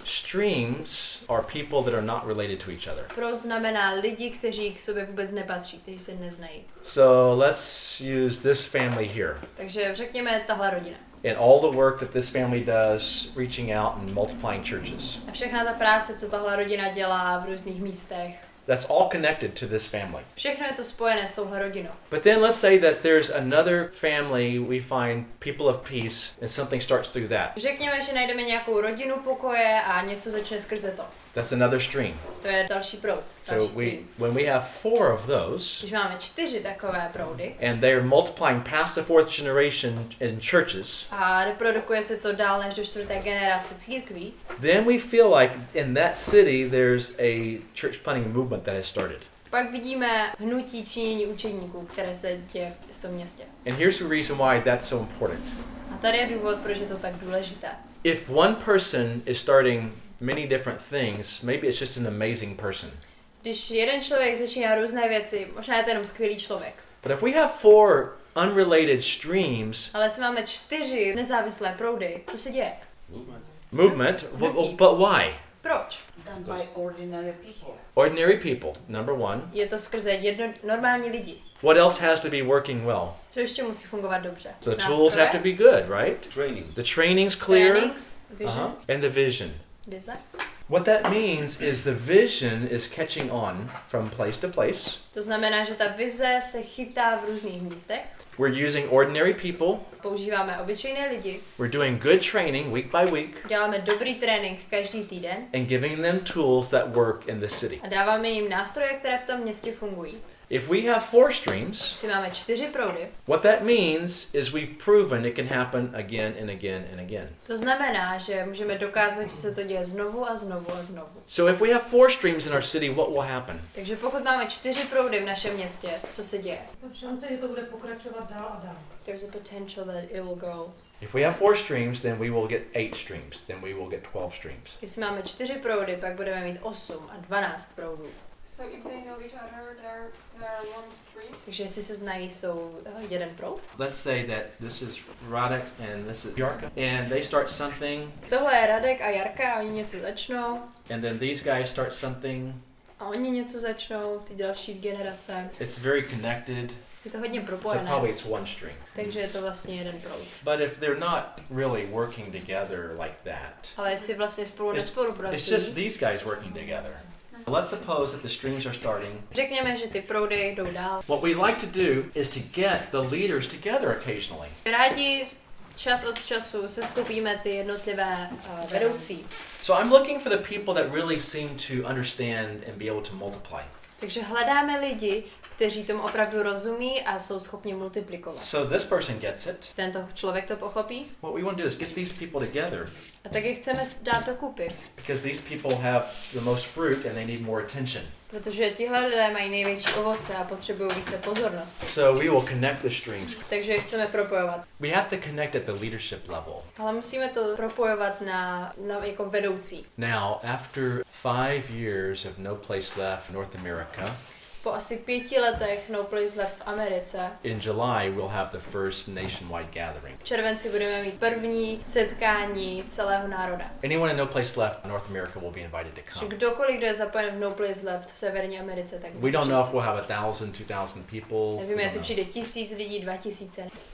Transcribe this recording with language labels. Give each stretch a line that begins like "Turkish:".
English: Streams are people that are not related to each other.
Czech: Proud znamená lidi, kteří k sobě vůbec nepatří, kteří se neznají.
English: So let's use this family here.
Czech: Takže řekněme tahle rodina.
English: And all the work that this family does, reaching out and multiplying churches.
Czech: A všechna ta práce, co tahle rodina dělá v různých místech.
English: That's all connected to this family.
Czech: Všechno je to spojené s touhle rodinou.
English: But then let's say that there's another family we find people of peace and something starts through that.
Czech: Řekněme, že najdeme nějakou rodinu pokoje a něco začne skrze to.
English: That's another stream.
Czech: To je další proud.
English: So we, when we have four of those,
Czech: když máme čtyři takové proudy,
English: and they're multiplying past the fourth generation in churches,
Czech: a reprodukuje se to dál než do čtvrté generace církví,
English: then we feel like in that city there's a church planting movement that has started.
Czech: Pak vidíme hnutí činění učeníků, které se děje v tom městě.
English: And here's the reason why that's so important.
Czech: A tady je důvod, proč je to tak důležité.
English: If one person is starting many different things, maybe it's just an amazing person.
Czech: Když jeden člověk začíná různé věci, možná je to jenom skvělý člověk.
English: But if we have four unrelated streams,
Czech: ale jestli máme čtyři nezávislé proudy, co se děje?
English: Movement. Movement? Well, but why?
Czech: Proč?
English: Done by ordinary people. Ordinary people, number one.
Czech: Je to skrze jedno, normální lidi.
English: What else has to be working well?
Czech: Co ještě musí fungovat dobře?
English: The nástroje? Tools have to be good, right? Training. The training's clear. Training, vision. Uh-huh. And the vision. Design. What that means is the vision is catching on from place to place.
Czech: To znamená, že ta vize se chytá v různých místech.
English: We're using ordinary people.
Czech: Používáme obyčejné lidi.
English: We're doing good training week by week.
Czech: Děláme dobrý trénink každý týden.
English: And giving them tools that work in the city.
Czech: A dáváme jim nástroje, které v tom městě fungují.
English: If we have four streams,
Czech: si máme čtyři proudy,
English: what that means is we've proven it can happen again and again and again.
Czech: To znamená, že můžeme dokázat, že se to děje znovu a znovu a znovu.
English: So if we have four streams in our city, what will happen?
Czech: Takže pokud máme čtyři proudy v našem městě, co se děje? Ta šance, že to bude pokračovat dál a dál.
English: There's a potential that it will go. If we have four streams, then we will get eight streams. Then we will get 12 streams.
Czech: Jestli máme čtyři proudy, pak budeme mít 8 a 12 proudů.
English: So if they know each other, they're one stream.
Czech: Takže jestli se znají, jsou jeden proud.
English: Let's say that this is Radek and this is Jarka, and they start something.
Czech: Tohle je Radek a Jarka, a oni něco začnou.
English: And then these guys start something.
Czech: A oni něco začnou, ty další generace.
English: It's very connected.
Czech: Je to hodně propojené.
English: So probably it's one stream.
Czech: Takže je to vlastně jeden proud.
English: But if they're not really working together like that.
Czech: Ale jestli vlastně spolu nespolupracují.
English: It's just these guys working together. Let's suppose that the streams are starting.
Czech: Řekněme, že ty proudy jdou dál.
English: What we like to do is to get the leaders together occasionally.
Czech: Rádi čas od času se skupíme ty jednotlivé vedoucí.
English: So I'm looking for the people that really seem to understand and be able to multiply.
Czech: Takže hledáme lidi, kteří tomu opravdu rozumí a jsou schopni multiplikovat.
English: So this person gets it.
Czech: Tento člověk to pochopí.
English: What we want to do is get these people together.
Czech: A tak je chceme dát dokupy.
English: Because these people have the most fruit and they need more attention.
Czech: Protože tihle lidé mají největší ovoce a potřebují více pozornosti.
English: So we will connect the streams.
Czech: Takže chceme propojovat.
English: We have to connect at the leadership level.
Czech: Ale musíme to propojovat na jako vedoucí.
English: Now, after 5 years of no place left in North America,
Czech: po asi 5 letech No Place Left v Americe.
English: In July we'll have the first nationwide gathering.
Czech: V červenci budeme mít první setkání celého národa.
English: Anyone in No Place Left North America will be invited to come.
Czech: Kdokoliv, kdo je zapojen v No Place Left v Severní Americe, tak.
English: We don't know if we'll have 1,000, 2,000 people.
Czech: Nevíme, jestli přijde 1,000 lidí, 2,000.